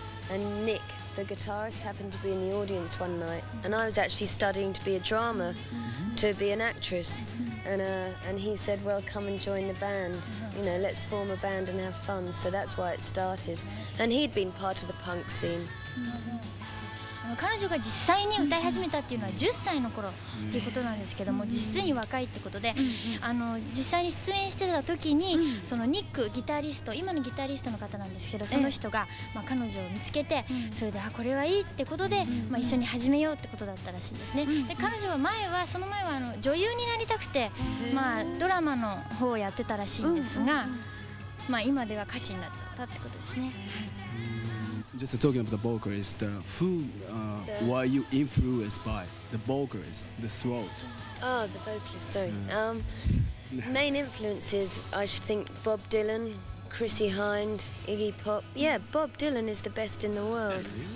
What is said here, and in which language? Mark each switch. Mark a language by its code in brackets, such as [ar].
[en] And Nick, the guitarist, happened to be in the audience one night. And I was actually studying to be a drama, to be an actress. And he said, well, come and join the band. You know, let's form a band and have fun. So that's why it started. And he'd been part of the punk scene. [ja] 彼女が実際に歌い始めたっていうのは10歳の頃っていうことなんですけども、実に若いってことで、あの実際に出演してた時にそのニックギタリスト、今のギタリストの方なんですけど、その人がまあ彼女を見つけて、それであこれはいいってことでまあ一緒に始めようってことだったらしいんですね。で彼女は前はその前はあの女優になりたくて、まあドラマの方をやってたらしいんですが、まあ今では歌手になっちゃったってことですね。 [en] Just talking about the vocalist, who were you influenced by? The vocalist, the throat. Oh, the vocalist, sorry. main influences, I should think, Bob Dylan, Chrissie Hynde, Iggy Pop. Yeah, Bob Dylan is the best in the world.